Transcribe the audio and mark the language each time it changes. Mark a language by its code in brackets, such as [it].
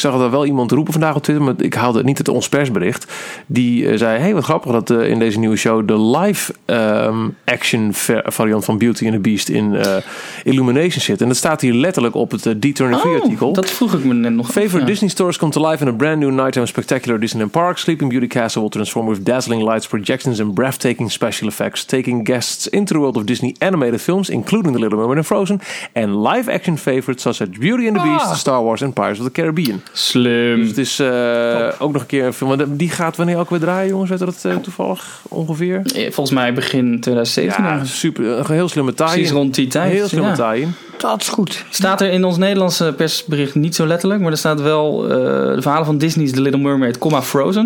[nl] Ik zag dat wel iemand roepen vandaag op Twitter, maar ik haalde niet het ons persbericht. Die zei, hey, wat grappig dat in deze nieuwe show de live action variant van Beauty and the Beast in Illumination zit. En dat staat hier letterlijk op het D23 artikel. Dat vroeg ik me net nog. [en] Favorite Disney stores come to life in a brand new nighttime spectacular Disneyland Park. Sleeping Beauty Castle will transform with dazzling lights, projections and breathtaking special effects, taking guests into the world of Disney animated films, including The Little Mermaid and Frozen, en live action favorites such as Beauty and the Beast, Star Wars en Pirates of the Caribbean. [nl] Slim. Dus het is ook nog een keer een film. Die gaat wanneer ook weer draaien, jongens? Weet dat toevallig ongeveer? Volgens mij begin 2017. Ja, super. Een heel slimme tie-in. Precies rond die tijd. Heel slimme tie-in. Dat is goed. Staat er in ons Nederlandse persbericht niet zo letterlijk, maar er staat wel de verhalen van Disney's The Little Mermaid, Frozen.